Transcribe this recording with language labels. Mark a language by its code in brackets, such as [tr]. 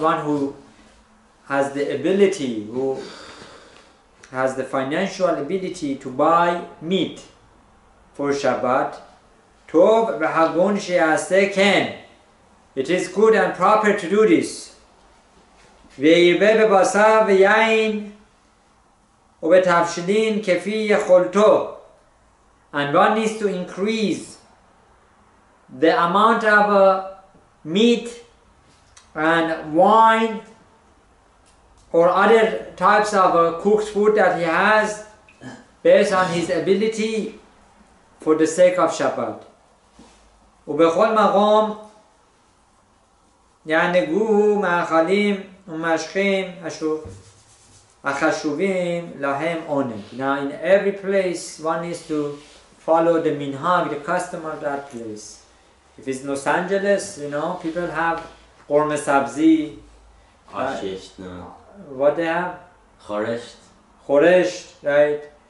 [en] One who has the ability, who has the financial ability to buy meat for Shabbat, [he] tov v'hagon sheyaseh ken. [en] It is good and proper to do this. [he] ויירבה בבשר ויין ובתבשילין כפי יכולתו. [en] And one needs to increase the amount of meat and wine or other types of cooked food that he has based on his ability for the sake of Shabbat. [he] ובכל מקום יענגוהו מאכלים ומשכים החשובים להם עונג. [en] Now in every place one needs to follow the minhag, the custom of that place. If it's Los Angeles, you know, people have korma sabzi. Ashesht, no. What they have? Choresht. Choresht, right.